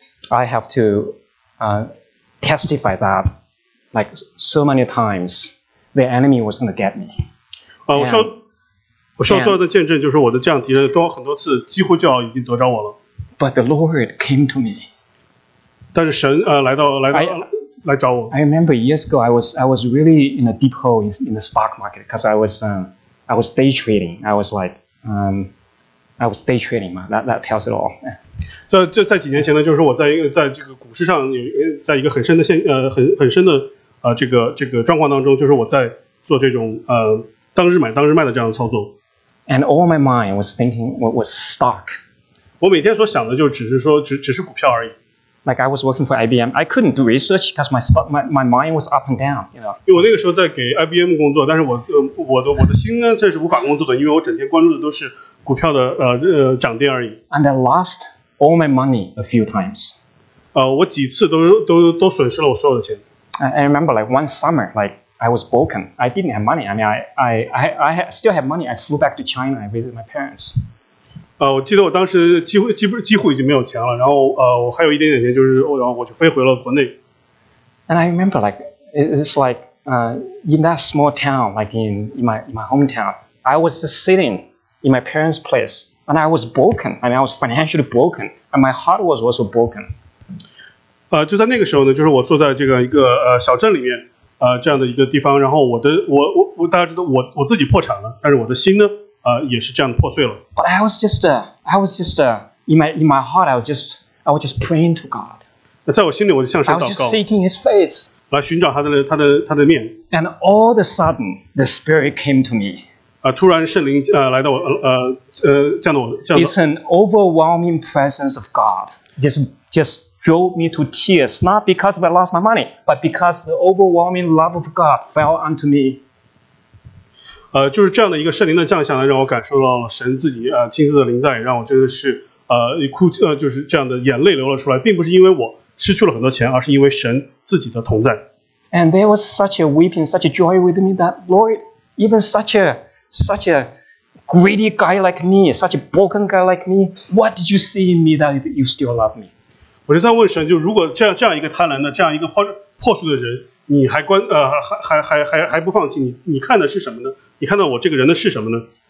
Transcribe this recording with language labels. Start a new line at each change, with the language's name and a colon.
English: I have to testify that like so many times the enemy was going to get me.
Chinese: 我需要做的见证就是我的这样敌人多很多次几乎就要已经得着我了。
English: But the Lord came to me.
Chinese: 但是神来找我。
English: I remember years ago I was really in a deep hole in the stock market because I was day trading. I was day trading, that tells it all.
Chinese: 在几年前呢，就是我在这个股市上有在一个很深的很深的这个状况当中，就是我在做这种当日买当日卖的这样的操作。
English: And all my mind was thinking what was stock.
Chinese: 我每天所想的就只是股票而已。
English: Like I was working for IBM, I couldn't do research because my mind was up and down, you know.
Chinese: 因为我那个时候在给 IBM 工作，但是我的心呢却是无法工作的，因为我整天关注的都是。股票的涨跌而已。
English: And I lost all my money a few times.
Chinese: 我几次都损失了我所有的钱。
English: I remember like one summer, like I was broken. I didn't have money. I mean, I still have money. I flew back to China. I visited my parents.
Chinese: 我记得我当时几乎已经没有钱了。然后我还有一点点钱，就是然后我就飞回了国内。
English: And I remember like it's like in that small town, like in my hometown, I was just sitting. In my parents' place, and I was broken. I mean, I was financially broken, and my heart was also broken.
Chinese: 就在那个时候呢，就是我坐在这个一个小镇里面，这样的一个地方，然后我大家知道我自己破产了，但是我的心呢，也是这样破碎了。
English: But I was just in my heart, I was just praying to God.
Chinese: 在我心里，我就向神祷告。
English: I was just seeking His face.
Chinese: 来寻找他的面。
English: And all of a sudden, the Spirit came to me.
Chinese: 突然圣灵来到我降到我降到。
English: It's an overwhelming presence of God. Just drove me to tears, not because I lost my money, but because the overwhelming love of God fell onto me.
Chinese: 就是这样的一个圣灵的降下来，让我感受到了神自己亲自的临在，让我真的是哭就是这样的眼泪流了出来，并不是因为我失去了很多钱，而是因为神自己的同在。
English: And there was such a weeping, such a joy with me that Lord, even such a greedy guy like me, such a broken guy like me, what did you see in me that you still love me?
Chinese: 我就在问神，就如果这样一个贪婪的这样一个破碎的人，你还关还不放弃，你看的是什么呢？你看到我这个人的是什么呢？